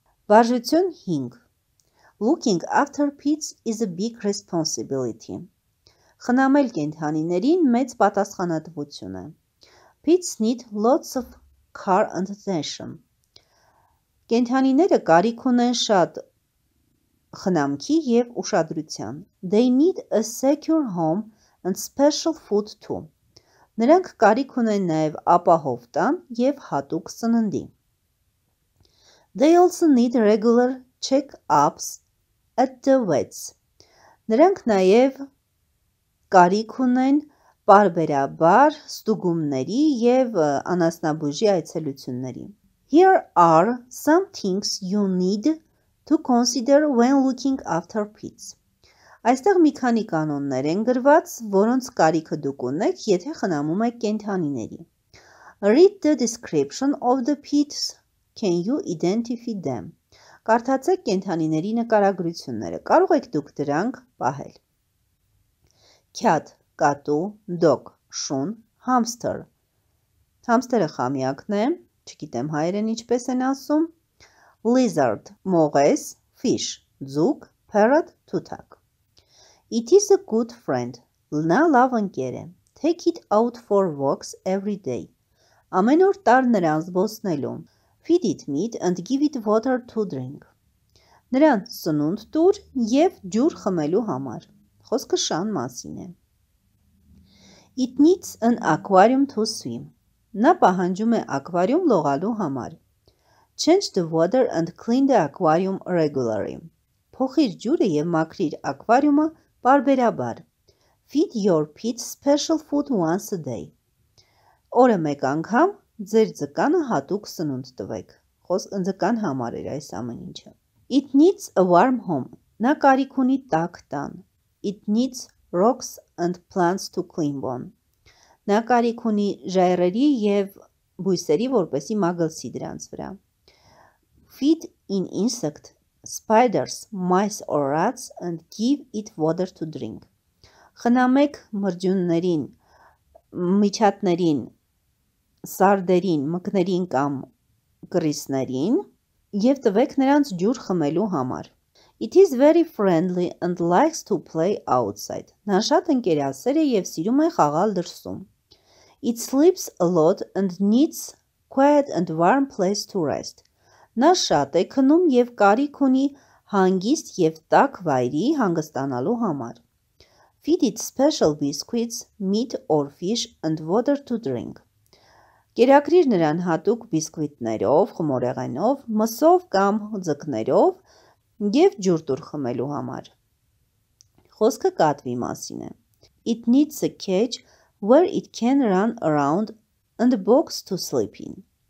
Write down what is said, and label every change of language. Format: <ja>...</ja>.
<hy>Վարժություն 5.</hy> <en>Looking after pets is a big responsibility.</en> <hy>Խնամել կենդանիներին մեծ պատասխանատվություն է.</hy> <en>Pets need lots of care and attention.</en> <hy>Կենդանիները կարիք ունեն շատ խնամքի և ուշադրության.</hy> <en>They need a secure home and special food too.</en> <hy>Նրանք կարիք ունեն նաև ապահով տան և հատուկ սննդի.</hy> <en>They also need regular check-ups at the vets.</en> <hy>Նրանք նաև կարիք ունեն պարբերաբար ստուգումների և անասնաբուժի այցելությունների.</hy> <en>Here are some things you need to consider when looking after pets.</en> <hy>Այստեղ մի քանի կանոններ են գրված, որոնց կարիքը դուք ունեք, եթե խնամում եք կենդանիների.</hy> <en>Read the description of the pets. Can you identify them?</en> <hy>Կարդացեք կենդանիների նկարագրությունները, կարող եք դուք դրանք պահել.</hy> <en>Cat, կատու, dog, շուն, hamster.</en> <hy>Համստերը խամյակն է, չգիտեմ հայերեն ինչպես են ասում.</hy> <en>Lizard, մողես, fish, ձուկ, parrot, թութակ. It is a good friend.</en> <hy>Նա լավ ընկեր է.</hy> <en>Take it out for walks every day.</en> <hy>Ամեն օր տար նրան զբոսնելու.</hy> <en>Feed it meat and give it water to drink.</en> <hy>Նրան սնունդ տուր և ջուր խմելու համար. Խոսքը շան մասին է.</hy> <en>It needs an aquarium to swim.</en> <hy>Նա պահանջում է ակվարիում լողալու համար.</hy> <en>Change the water and clean the aquarium regularly.</en> <hy>Փոխիր ջուրը և մաքրիր ակվարիումը պարբերաբար.</hy> <en>Feed your pet special food once a day.</en> <hy>Օրը մեկ անգամ ձեր ձկանը հատուկ սնունդ տվեք. Խոս ձկան համար էր այս ամեն ինչը.</hy> <en>It needs a warm home.</en> <hy>Նա կարիք ունի տաք տան.</hy> <en>It needs rocks and plants to climb on.</en> <hy>Նա կարիք ունի ժայռերի և բույսերի, որպեսի մագլցի դրանց վրա.</hy> <en>Feed in insect, spiders, mice or rats and give it water to drink.</en> <hy>Խնամեք մրջյուններին, միջատներին, սարդերին, մկներին կամ կրիսներին և տվեք նրանց ջուր խմելու համար.</hy> <en>It is very friendly and likes to play outside.</en> <hy>Նա շատ ընկերասեր է և սիրում է խաղալ դրսում.</hy> <en>It sleeps a lot and needs quiet and warm place to rest.</en> <hy>Նա շատ է քնում և կարիք ունի հանգիստ և տաք վայրի հանգստանալու համար.</hy> <en>Feed it special biscuits, meat or fish and water to drink.</en> <hy>Կերակրիր նրան հատուկ բիսկվիտներով, խմորեղենով, մսով կամ ձկներով, և ջուր տուր խմելու համար։ Խոսքը կատվի մասին է։</hy> <en>It needs a cage where it can run around and box to sleep in.</en>